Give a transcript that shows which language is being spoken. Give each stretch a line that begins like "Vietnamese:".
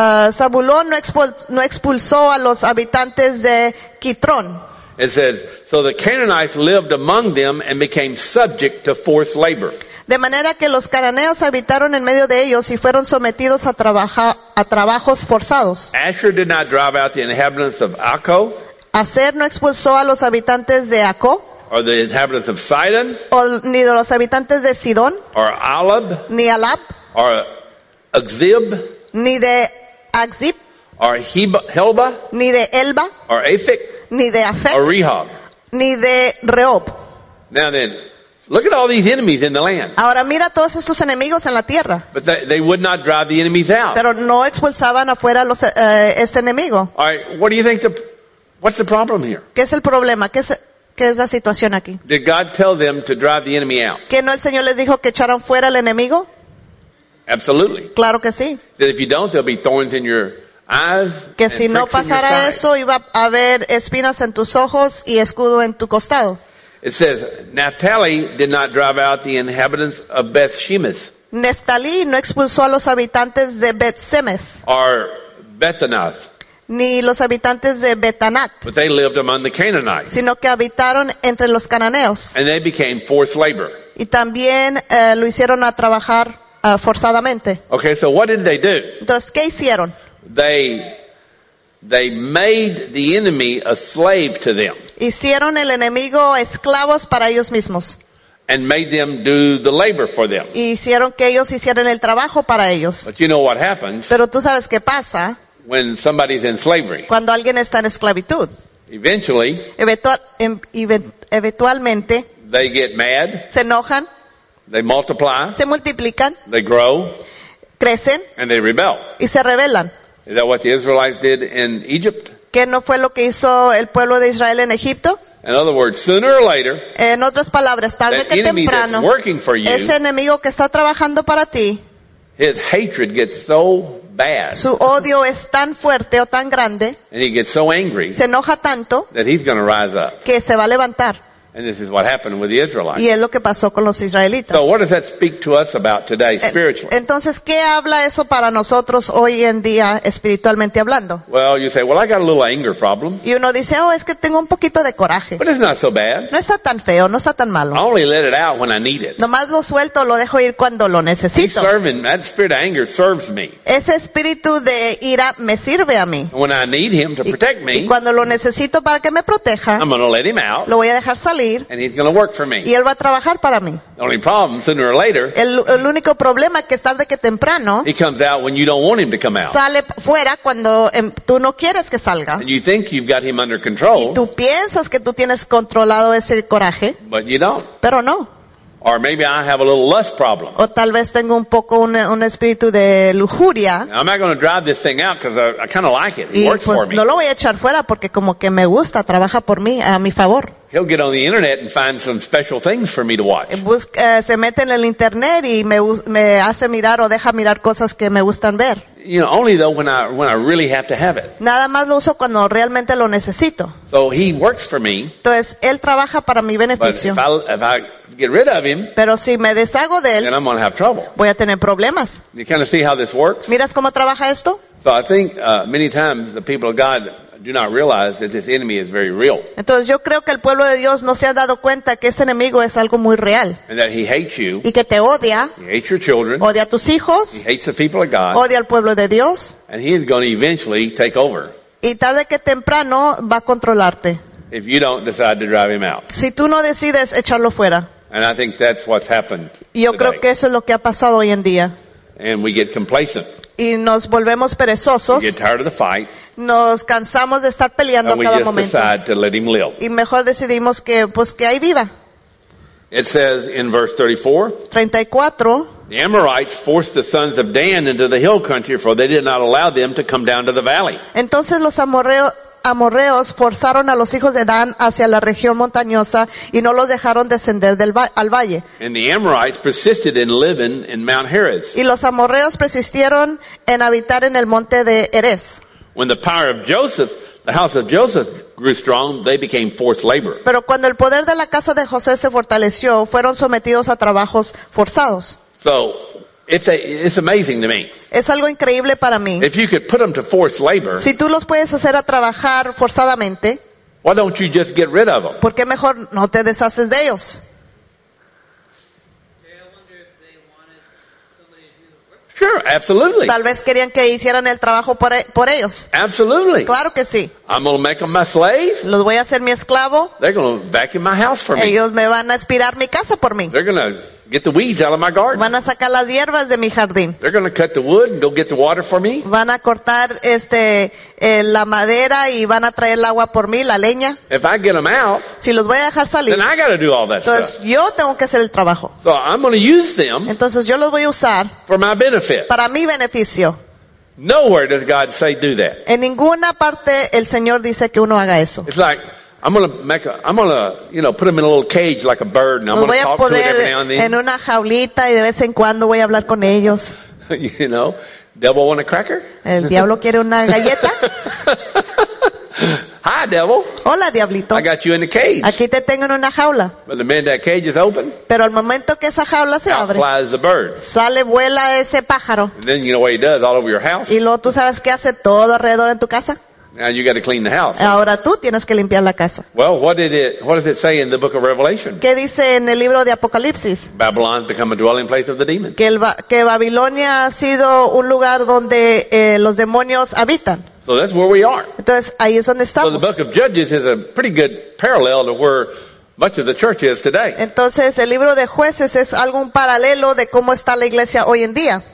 Spanish: Zabulón no expulsó a los habitantes de Kitron.
English: It says, so the Canaanites lived among them and became subject to forced labor.
Spanish: De manera que los cananeos habitaron en medio de ellos y fueron sometidos a trabajos forzados.
English: Asher did not drive out the inhabitants of Akko.
Spanish: Aser no expulsó a los habitantes de Akko.
English: Or the inhabitants of Sidon.
Spanish: O ni de los habitantes de Sidón.
English: Or Alab.
Spanish: Ni Alab.
English: Or Akzib.
Spanish: Ni de Akzib.
English: Or Helba.
Spanish: Ni de Elba.
English: Or Aphek.
Spanish: Ni de Afek,
English: or Rehob.
Spanish: Ni de Rehob.
English: Now then, look at all these enemies in the land.
Spanish: Ahora mira todos estos enemigos en la tierra.
English: But they would not drive the enemies out.
Spanish: Pero no expulsaban afuera los este enemigo.
English: All right, what do you think what's the problem here?
Spanish: ¿Qué es el problema? ¿Qué es la situación aquí?
English: Did God tell them to drive the enemy out?
Spanish: ¿Que no el Señor les dijo que echaran fuera al enemigo?
English: Absolutely.
Spanish: Claro que sí.
English: That if you don't, there'll be thorns in your eyes,
Spanish: que si no pasara eso, iba a haber espinas en tus ojos y escudo en tu costado.
English: It says, Naphtali did not drive out the inhabitants of Beth Shemesh.
Spanish: Naphtali no expulsó a los habitantes de Beth Shemesh.
English: Or Bethanath.
Spanish: Ni los habitantes de Betanat.
English: But they lived among the Canaanites.
Spanish: Sino que habitaron entre los cananeos.
English: And they became forced labor.
Spanish: Y también lo hicieron a trabajar forzadamente.
English: Okay, so what did they do?
Spanish: Entonces, ¿qué hicieron?
English: They made the enemy a slave to them.
Spanish: Hicieron el enemigo esclavos para ellos mismos.
English: And made them do the labor for them.
Spanish: Y hicieron que ellos hicieran el trabajo para ellos.
English: But you know what happens?
Spanish: Pero tú sabes qué pasa.
English: When somebody's in slavery.
Spanish: Cuando alguien está en esclavitud.
English: Eventually.
Spanish: Eventualmente.
English: They get mad.
Spanish: Se enojan.
English: They multiply.
Spanish: Se multiplican.
English: They grow.
Spanish: Crecen.
English: And they rebel.
Spanish: Y se rebelan.
English: Is that what the Israelites did in Egypt?
Spanish: ¿Qué no fue lo que hizo el pueblo de Israel en Egipto?
English: In other words, sooner or later,
Spanish: en otras palabras, tarde que temprano,
English: working for you,
Spanish: ese enemigo que está trabajando para ti,
English: his hatred gets so bad,
Spanish: su odio es tan fuerte o tan grande,
English: and he gets so angry,
Spanish: se enoja tanto,
English: that he's going to rise up,
Spanish: que se va a levantar.
English: And this is what happened with the Israelites.
Spanish: Y es lo que pasó con los israelitas.
English: So what does that speak to us about today spiritually?
Spanish: Entonces, ¿qué habla eso para nosotros hoy en día espiritualmente hablando?
English: Well, you say, well, I got a little anger problem.
Spanish: Y uno dice, oh, es que tengo un poquito de coraje.
English: But it's not so bad.
Spanish: No está tan feo, no está tan malo.
English: I only let it out when I need it.
Spanish: Nomás lo suelto, lo dejo ir cuando lo necesito.
English: He's serving, that spirit of anger serves me.
Spanish: Ese espíritu de ira me sirve a mí.
English: When I need him to protect me.
Spanish: Y cuando lo necesito para que me proteja.
English: I'm going to let him out.
Spanish: Lo voy a dejar salir.
English: And he's going to work for me.
Spanish: Y él va a trabajar para mí.
English: The only problem, sooner or later,
Spanish: el único problema que es tarde que temprano,
English: he comes out when you don't want him to come out.
Spanish: Sale fuera cuando tú no quieres que salga.
English: And you think you've got him under control.
Spanish: Y tú piensas que tú tienes controlado ese coraje.
English: But you don't.
Spanish: Pero no.
English: Or maybe I have a little lust problem.
Spanish: O tal vez tengo un poco un espíritu de lujuria.
English: Now, I'm not going to drive this thing out because I kind of like it. It
Spanish: y
English: works
Spanish: pues,
English: for me.
Spanish: No lo voy a echar fuera porque como que me gusta, trabaja por mí, a mi favor.
English: He'll get on the internet and find some special things for me to watch.
Spanish: Se mete en el internet y me hace mirar o deja mirar cosas que me gustan ver.
English: You know, only though when I really have to have it.
Spanish: Nada más lo uso cuando realmente lo necesito.
English: So he works for me.
Spanish: Entonces él trabaja para mi beneficio.
English: But if I get rid of him,
Spanish: pero si me deshago de él,
English: then I'm going to have trouble.
Spanish: Voy a tener problemas.
English: You kind of see how this works?
Spanish: ¿Miras cómo trabaja esto?
English: So I think many times the people of God do not realize that this enemy is very real.
Spanish: Entonces yo creo que el pueblo de Dios no se ha dado cuenta que este enemigo es algo muy real.
English: And that he hates you.
Spanish: Y que te odia.
English: He hates your children.
Spanish: Odia a tus hijos.
English: He hates the people of God.
Spanish: Odia al pueblo de Dios.
English: And he is going to eventually take over.
Spanish: Y tarde que temprano va a controlarte.
English: If you don't decide to drive him out.
Spanish: Si tú no decides echarlo fuera.
English: And I think that's what's happened.
Spanish: Yo
English: today.
Spanish: Creo que eso es lo que ha pasado hoy en día.
English: And we get complacent.
Spanish: Y nos volvemos perezosos.
English: We get tired of the fight.
Spanish: Nos cansamos de estar peleando
English: and
Spanish: cada momento.
English: Decide to let him live.
Spanish: Y mejor decidimos que pues que ahí viva.
English: It says in verse 34. The Amorites forced the sons of Dan into the hill country, for they did not allow them to come down to the valley.
Spanish: Entonces los amorreos forzaron a los hijos de Dan hacia la región montañosa y no los dejaron descender al valle.
English: And the Amorites persisted in living in Mount Heres.
Spanish: Y los amorreos persistieron en habitar en el monte de Heres.
English: When the power of Joseph, the house of Joseph grew strong, they became forced laborers.
Spanish: Pero cuando el poder de la casa de José se fortaleció, fueron sometidos a trabajos forzados.
English: So, it's amazing to me.
Spanish: Es algo increíble para mí.
English: If you could put them to forced labor,
Spanish: si tú los puedes hacer a trabajar forzadamente,
English: why don't you just get rid of them?
Spanish: ¿Por qué mejor no te deshaces de ellos?
English: Sure, absolutely.
Spanish: Tal vez querían que hicieran el trabajo por ellos.
English: Absolutely.
Spanish: Claro que sí.
English: I'm going to make them my slave.
Spanish: Los voy a hacer mi esclavo.
English: They're going to vacuum my house for me.
Spanish: Ellos me van a aspirar mi casa por mí.
English: They're going to get the weeds out of my garden.
Spanish: Van a sacar las hierbas de mi jardín.
English: They're going to cut the wood and go get the water for me.
Spanish: Van a cortar la madera y van a traer el agua por mí, la leña.
English: If I get them out,
Spanish: si los voy a dejar salir,
English: then I got to do all that
Spanish: entonces,
English: stuff.
Spanish: Yo tengo que hacer el trabajo.
English: So I'm going to use them.
Spanish: Entonces yo los voy a usar
English: for my benefit.
Spanish: Para mi beneficio.
English: Nowhere does God say do that.
Spanish: En ninguna parte el Señor dice que uno haga eso.
English: It's like I'm gonna you know, put them in a little cage like a bird, and I'm gonna talk to it every now and then.
Spanish: En una jaulita y de vez en cuando voy a hablar con ellos.
English: You know, devil want a cracker?
Spanish: El diablo quiere una galleta.
English: Hi, devil.
Spanish: Hola, diablito.
English: I got you in the cage.
Spanish: Aquí te tengo en una jaula.
English: But the minute that cage is open,
Spanish: pero al momento que esa jaula se abre,
English: out flies the bird.
Spanish: Sale, vuela ese pájaro.
English: And then you know what he does all over your house.
Spanish: Y luego tú sabes qué hace todo alrededor en tu casa.
English: Now you got to clean the house.
Spanish: Ahora tú tienes que limpiar la casa.
English: Well, what does it say in the book of Revelation?
Spanish: ¿Qué dice en el libro de Apocalipsis?
English: Babylon's become a dwelling place of the demons.
Spanish: Que Babilonia ha sido un lugar donde los demonios habitan.
English: So that's where we are.
Spanish: Entonces ahí es donde estamos.
English: So the book of Judges is a pretty good parallel to where much of the church is today.
Spanish: Entonces el libro de Jueces es algún paralelo de cómo está la iglesia hoy en día.